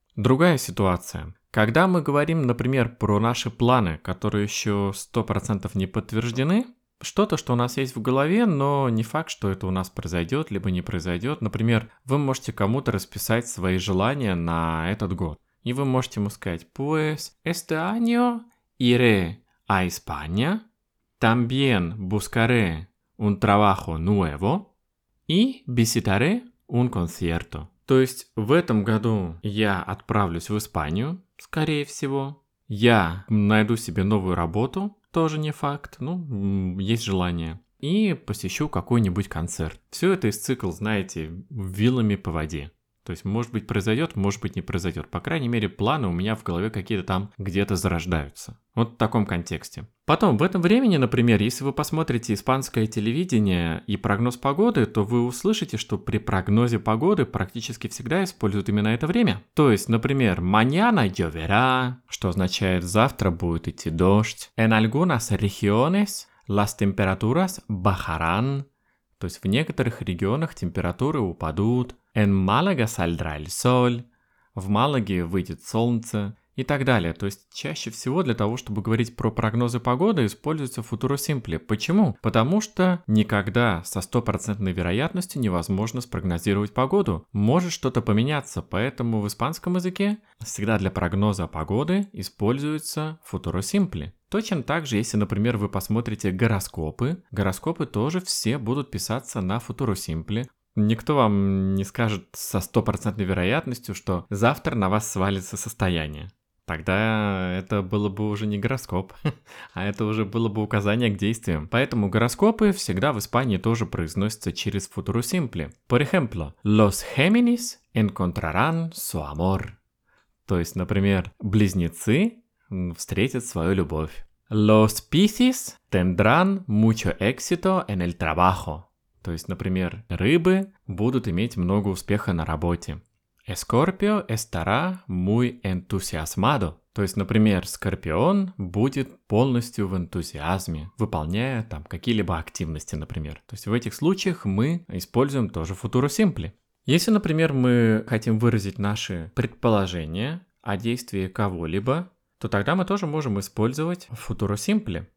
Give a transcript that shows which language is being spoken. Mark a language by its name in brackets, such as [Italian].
[Russian] Другая ситуация. Когда мы говорим, например, про наши планы, которые еще 100% не подтверждены, что-то, что у нас есть в голове, но не факт, что это у нас произойдет, либо не произойдет. Например, вы можете кому-то расписать свои желания на этот год. И вы можете ему сказать [Spanish] «Pues este año iré a España, también buscaré un trabajo nuevo y visitaré un concierto». [Russian] То есть в этом году я отправлюсь в Испанию, скорее всего. Я найду себе новую работу. Тоже не факт, ну, есть желание. И посещу какой-нибудь концерт. Все это из цикла, знаете, вилами по воде. То есть, может быть, произойдет, может быть, не произойдет. По крайней мере, планы у меня в голове какие-то там где-то зарождаются. Вот в таком контексте. Потом, в этом времени, например, если вы посмотрите испанское телевидение и прогноз погоды, то вы услышите, что при прогнозе погоды практически всегда используют именно это время. То есть, например, [Spanish] «mañana lloverá», [Russian] что означает «завтра будет идти дождь». [Spanish] «En algunas regiones las temperaturas bajarán». [Russian] То есть, в некоторых регионах температуры упадут. [Spanish] «En Málaga saldrá el sol», [Russian] «в Малаге выйдет солнце» и так далее. То есть чаще всего для того, чтобы говорить про прогнозы погоды, используется футуро симпле. Почему? Потому что никогда со 100% вероятностью невозможно спрогнозировать погоду. Может что-то поменяться, поэтому в испанском языке всегда для прогноза погоды используется футуро симпле. Точно так же, если, например, вы посмотрите гороскопы, гороскопы тоже все будут писаться на футуро симпле. Никто вам не скажет со 100% вероятностью, что завтра на вас свалится состояние. Тогда это было бы уже не гороскоп, а это уже было бы указание к действиям. Поэтому гороскопы всегда в Испании тоже произносятся через футуро симпле. [Spanish] Por ejemplo, los Géminis encontrarán su amor. [Russian] То есть, например, близнецы встретят свою любовь. [Spanish] Los Piscis tendrán mucho éxito en el trabajo. [Russian] То есть, например, рыбы будут иметь много успеха на работе. [Spanish] Escorpio estará muy entusiasmado. [Russian] То есть, например, скорпион будет полностью в энтузиазме, выполняя там какие-либо активности, например. То есть в этих случаях мы используем тоже футуро симпле. Если, например, мы хотим выразить наши предположения о действии кого-либо, то тогда мы тоже можем использовать футуро симпле.